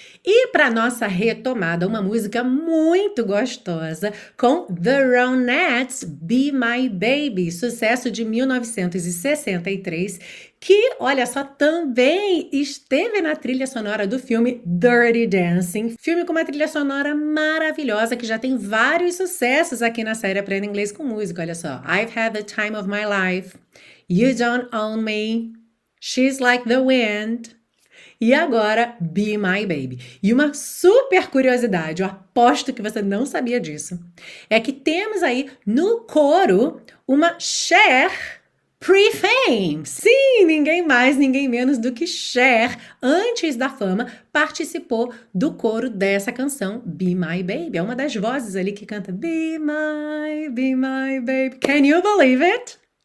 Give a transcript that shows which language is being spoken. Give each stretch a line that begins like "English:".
Portuguese: E para nossa retomada, uma música muito gostosa com The Ronettes, Be My Baby, sucesso de 1963, que, olha só, também esteve na trilha sonora do filme Dirty Dancing, filme com uma trilha sonora maravilhosa que já tem vários sucessos aqui na série Aprenda Inglês com Música. Olha só, I've had the time of my life, You Don't Own Me, She's Like the Wind. E agora, Be My Baby. E uma super curiosidade, eu aposto que você não sabia disso, é que temos aí no coro uma Cher pre-fame. Sim, ninguém mais, ninguém menos do que Cher, antes da fama, participou do coro dessa canção, Be My Baby. É uma das vozes ali que canta Be My Baby.
English: Can you believe it?